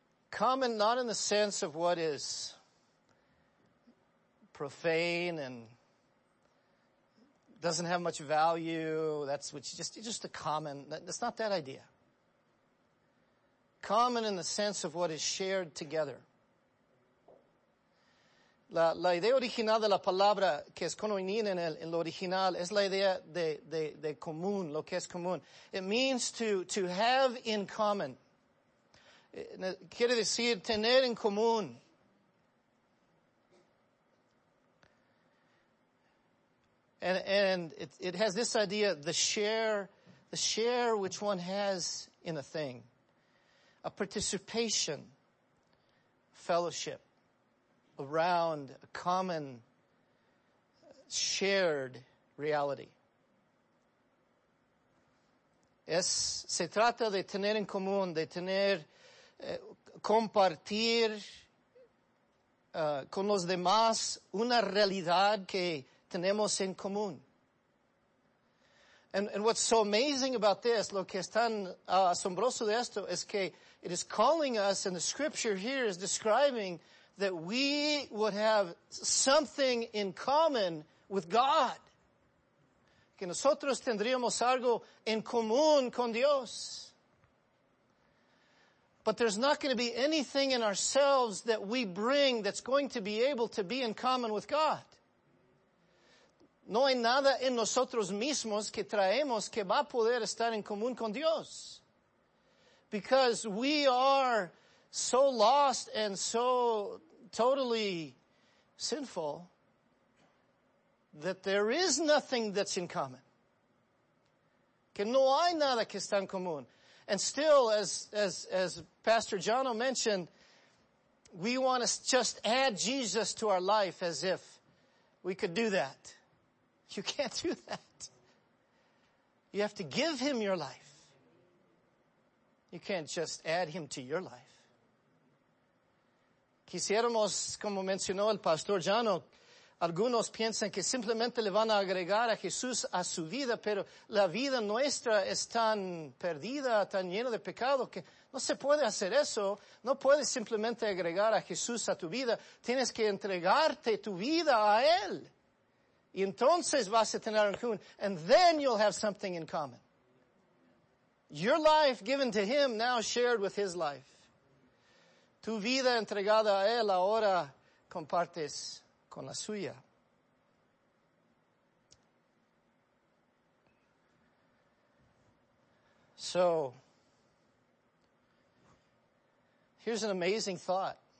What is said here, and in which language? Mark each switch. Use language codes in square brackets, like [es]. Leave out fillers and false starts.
[en] Common, not in the sense of what is profane and doesn't have much value. That's which just a common. That's not that idea. Common in the sense of what is shared together. [es] La idea original de la palabra que es conoinina en lo original es la idea de común, lo que es común. [en] It means to have in common. [es] Quiere decir tener en común. [en] And it has this idea, the share which one has in a thing. A participation, fellowship around a common shared reality. [es] Se trata de tener en común, de tener, compartir con los demás una realidad que tenemos en común. [en] And what's so amazing about this, [es] lo que es tan asombroso de esto, es que [en] it is calling us, and the scripture here is describing that we would have something in common with God. [es] Que nosotros tendríamos algo en común con Dios. [en] But there's not going to be anything in ourselves that we bring that's going to be able to be in common with God. [es] No hay nada en nosotros mismos que traemos que va a poder estar en común con Dios. [en] Because we are so lost and so totally sinful that there is nothing that's in common. [es] Que no hay nada que está en común. [en] And still, as Pastor Jono mentioned, we want to just add Jesus to our life as if we could do that. You can't do that. You have to give Him your life. You can't just add Him to your life. [es] Quisiéramos, como mencionó el Pastor Jano, Algunos piensan que simplemente le van a agregar a Jesús a su vida, pero la vida nuestra es tan perdida, tan llena de pecado, que no se puede hacer eso. No puedes simplemente agregar a Jesús a tu vida. Tienes que entregarte tu vida a Él. Y entonces vas a tener en común. [en] And then you'll have something in common. Your life given to Him, now shared with His life. [es] Tu vida entregada a Él, ahora compartes con la suya. [en] So, here's an amazing thought.